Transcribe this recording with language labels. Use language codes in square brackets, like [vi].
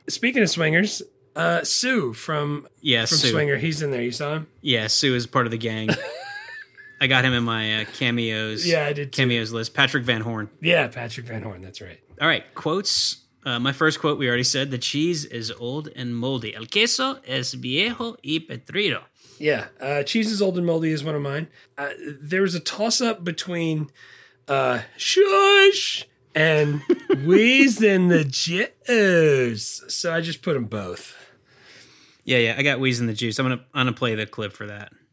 [en] Speaking of Swingers, Sue from, yeah, from Sue. Swinger. He's in there. You saw him? Yeah, Sue is part of the gang. I got him in my cameos. Yeah, I did too. Cameos list. Patrick Van Horn. Yeah, Patrick Van Horn. That's right. All right. Quotes. My first quote, we already said, the cheese is old and moldy. [es] El queso es viejo y podrido. [en] Yeah. Cheese is old and moldy is one of mine. There was a toss up between shush and wheeze in the juice. So I just put them both. Yeah, yeah. I got wheeze in the juice. I'm gonna play the clip for that.